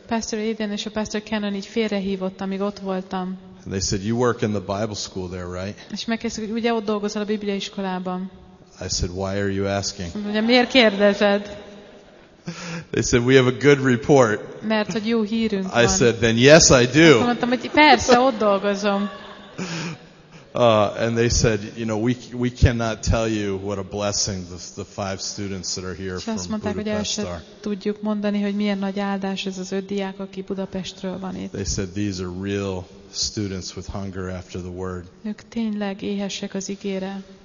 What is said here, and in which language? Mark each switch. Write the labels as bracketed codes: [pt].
[hu] Pastor Aiden és a Pastor Cannon így félrehívott, amíg ott voltam. [en] And they said, "You work in the Bible school there, right?" [hu] És megkérdezték, hogy ugye ott dolgozol a Biblia iskolában. [en] I said, "Why are you asking?" [hu] Ugye miért kérdezed? [en] They said, "We have a good report." [hu] Mert hogy jó hírünk van. [en] I said, "Then yes, I do." [hu] Azt mondtam, hogy persze, ott dolgozom. [en] And they said, "You know, we cannot tell you what a blessing the five students that are here from Budapest are." [hu] Tudjuk mondani, hogy milyen nagy áldás ez az öt diák, aki Budapestről van itt. [en] They said these are real students with hunger after the word. [hu] Ők tényleg éhesek az igére.